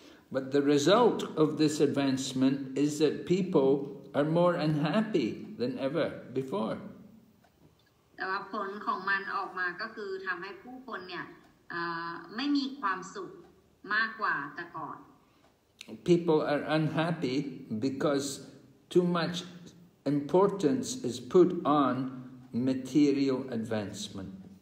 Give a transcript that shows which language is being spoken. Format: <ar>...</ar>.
<en>But the result of this advancement is that people are more unhappy than ever before.</en> <th>แต่ว่าผลของมันออกมาก็คือทำให้ผู้คนเนี่ยไม่มีความสุขมากกว่าแต่ก่อน</th> <en>People are unhappy because too much importance is put on material advancement.</en>